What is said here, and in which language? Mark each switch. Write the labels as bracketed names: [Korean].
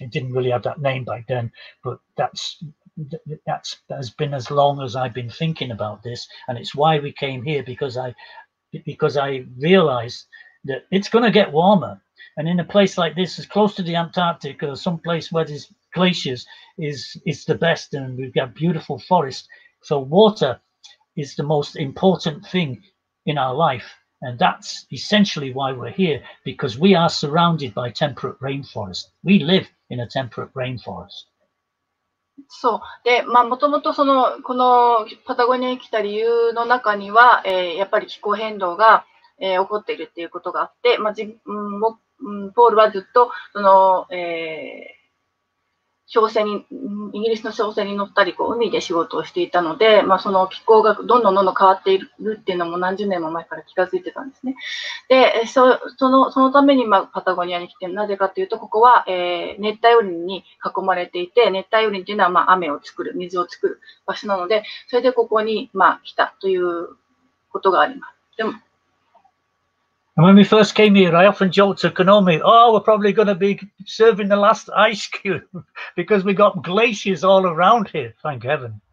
[English] It didn't really have that name back then, but that's been as long as I've been thinking about this, and it's why we came here, because I realized that it's going to get warmer, and in a place like this, as close to the Antarctic or some place where there's glaciers, is the best, and we've got beautiful forests. So water is the most important thing in our life, and that's essentially why we're here, because we are surrounded by temperate rainforest. We live in a temperate rainforest. [Japanese] そう。で、まあ、もともとその、このパタゴニアに来た理由の中には、やっぱり気候変動が、起こっているっていうことがあって、まあ、ポールはずっと、その、イギリスの商船に乗ったり、こう、海で仕事をしていたので、まあ、その気候がどんどん変わっているっていうのも何十年も前から気がついてたんですね。で、そのために、まあ、パタゴニアに来て、なぜかというと、ここは、熱帯雨林に囲まれていて、熱帯雨林というのは、まあ、雨を作る、水を作る場所なので、それでここに、まあ、来たということがあります。でも、 [English] And when we first came here, I often joked to Konomi, oh, we're probably going to be serving the last ice cube because we got glaciers all around here, thank heaven.